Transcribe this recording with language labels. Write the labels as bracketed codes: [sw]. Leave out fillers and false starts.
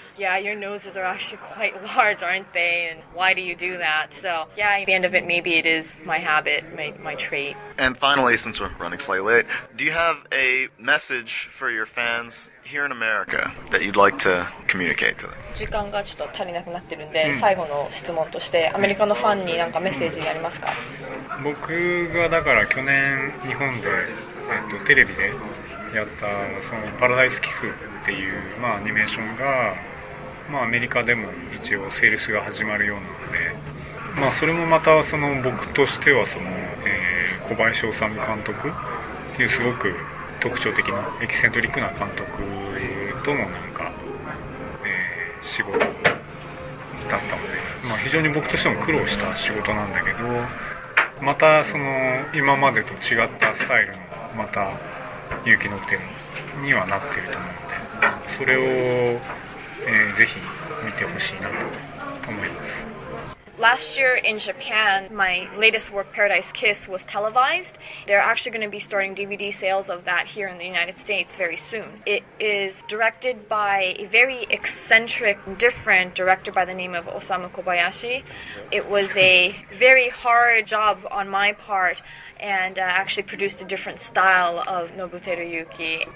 [en] Yeah, your noses are actually quite large, aren't they? And why do you do that? So yeah, at the end of it, maybe it is my habit, my trait. And finally, since we're running slightly late, do you have a message for your fans here in America that you'd like to communicate to them? [ja] 時間がちょっと足りなくなってるんで、最後の質問として、アメリカのファンに何かメッセージありますか？僕がだから去年日本で、テレビでやったそのパラダイスキスっていう、まあ、アニメーションが、まあ、アメリカでも一応セールスが始まるようなので、まあ、それもまたその僕としてはその、小林修監督っていうすごく特徴的なエキセントリックな監督とのなんか、仕事だったので、まあ、非常に僕としても苦労した仕事なんだけど、またその今までと違ったスタイルのまた勇気の手にはなっていると思うので、それを、ぜひ見てほしいなと思います。 [en] Last year in Japan, my latest work, Paradise Kiss, was televised. They're actually going to be starting DVD sales of that here in the United States very soon. It is directed by a very eccentric, different director by the name of Osamu Kobayashi. It was a very hard job on my part, and actually produced a different style of Nobuteru Yuuki.